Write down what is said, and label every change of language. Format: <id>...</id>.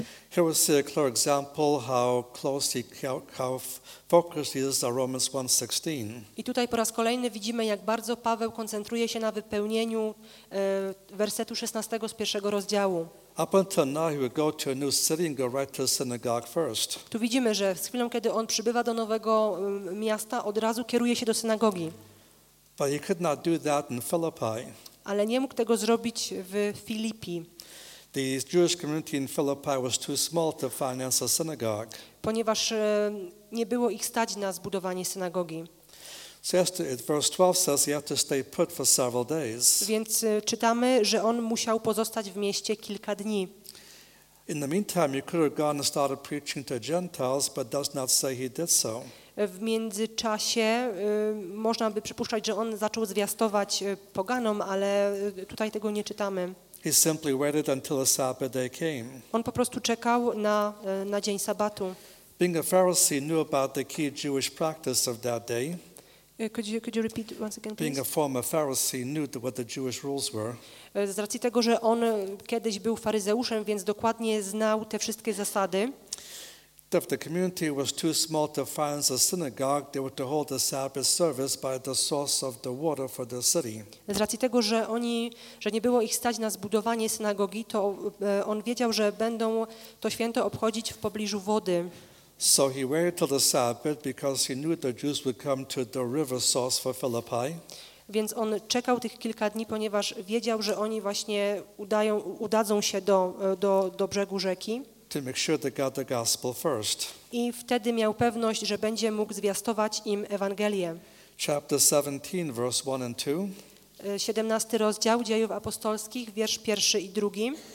<en>Here we see a clear example how closely, how focused he is on Romans 1:16.</en> <pl>I tutaj po raz kolejny widzimy, jak bardzo Paweł koncentruje się na wypełnieniu wersetu 16 z pierwszego rozdziału.</pl> <en>Up until now he would go to a new city and go right to the synagogue first.</en> <pl>Tu widzimy, że z chwilą, kiedy on przybywa do nowego miasta, od razu kieruje się do synagogi.</pl> <en>But he could not do that in Philippi.</en> <pl>Ale nie mógł tego zrobić w Filipi.</pl> <en>The Jewish community in Philippi was too small to finance a synagogue.</en> <pl>Ponieważ nie było ich stać na zbudowanie synagogi.</pl> <en>So verse 12 says he had to stay put for several days.</en> <pl>Więc czytamy, że on musiał pozostać w mieście kilka dni.</pl> <en>In the meantime, he could have gone and started preaching to Gentiles, but does not say he did so.</en> <pl>W międzyczasie można by przypuszczać, że on zaczął zwiastować poganom, ale tutaj tego nie czytamy.</pl> <en>He simply waited until the Sabbath day came.</en> <pl>On po prostu czekał na dzień sabatu.</pl> <en>Being a Pharisee, knew about the key Jewish practice of that day. Could you repeat once again, please? Being a former Pharisee, knew what the Jewish rules were.</en> <pl>Z racji tego, że on kiedyś był faryzeuszem, więc dokładnie znał te wszystkie zasady.</pl> <en>If the community was too small to finance a synagogue, they were to hold a Sabbath service by the source of the water for the city.</en> <pl>Z racji tego, że nie było ich stać na zbudowanie synagogi, to on wiedział, że będą to święto obchodzić w pobliżu wody.</pl> <en>So he waited till the Sabbath because he knew the Jews would come to the river source for Philippi.</en> <pl>Więc on czekał tych kilka dni, ponieważ wiedział, że oni właśnie udadzą się do brzegu rzeki.</pl> <en>To make sure they got the gospel first.</en> <pl>I wtedy miał pewność, że będzie mógł zwiastować im Ewangelię.</pl> <en>Chapter 17, verse 1 and 2.</en> <pl>17 rozdział Dziejów Apostolskich, wiersz pierwszy i drugi.</pl>